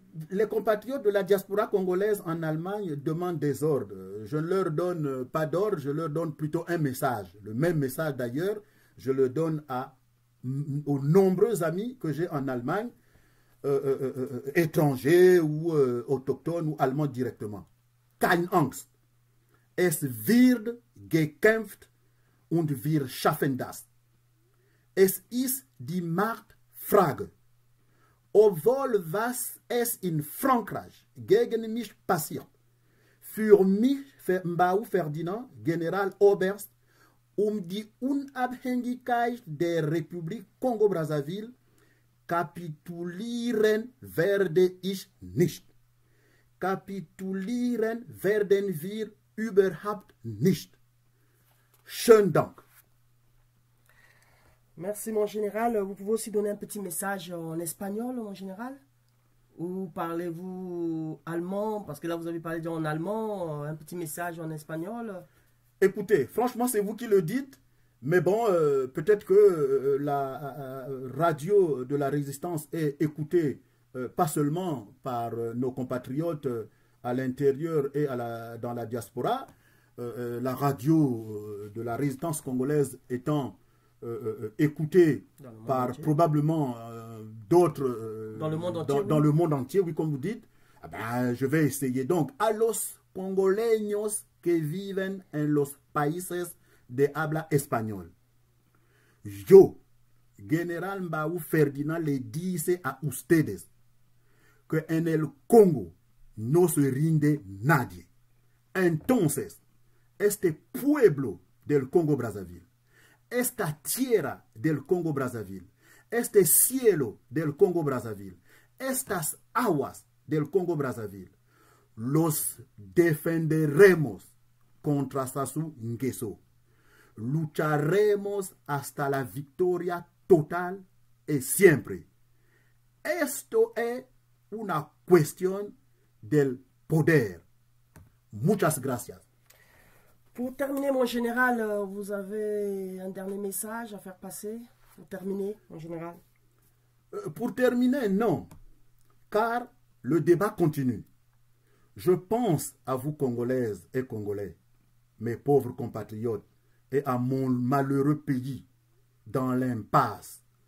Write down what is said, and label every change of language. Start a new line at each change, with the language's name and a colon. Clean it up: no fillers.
French: Les compatriotes de la diaspora congolaise en Allemagne demandent des ordres. Je ne leur donne pas d'ordre, je leur donne plutôt un message. Le même message d'ailleurs, je le donne aux nombreux amis que j'ai en Allemagne, étrangers ou autochtones ou allemands directement.
German: Keine Angst. Es wird gekämpft und wir schaffen das. Es ist die Machtfrage. Au vol was es in Frankreich, gegen mich passiert. Für mich, Mbau Ferdinand, General Oberst, die Unabhängigkeit der Republik Kongo-Brazzaville, kapitulieren werde ich nicht. Kapitulieren werden wir überhaupt nicht. Schönen Dank.
French: Merci, mon général. Vous pouvez aussi donner un petit message en espagnol, mon général? Ou parlez-vous allemand? Parce que là, vous avez parlé en allemand. Un petit message en espagnol? Écoutez, franchement, c'est vous qui le dites. Mais bon, peut-être que la radio de la résistance est écoutée pas seulement par nos compatriotes à l'intérieur et dans la diaspora. La radio de la résistance congolaise étant écouté par entier. Probablement d'autres dans le monde entier, oui, comme vous dites, je vais essayer.
Spanish: Donc, a los congoleños que viven en los países de habla español. Yo, General Mbau Ferdinand, le dice a ustedes que en el Congo no se rinde nadie. Entonces, este pueblo del Congo Brazzaville, esta tierra del Congo Brazzaville, este cielo del Congo Brazzaville, estas aguas del Congo Brazzaville, los defenderemos contra Sassou Nguesso. Lucharemos hasta la victoria total y siempre. Esto es una cuestión del poder. Muchas gracias.
French: Pour terminer, mon général, vous avez un dernier message à faire passer? Pour terminer, mon général? Pour terminer, non. Car le débat continue. Je pense à vous, Congolaises et Congolais, mes pauvres compatriotes, et à mon malheureux pays dans l'impasse.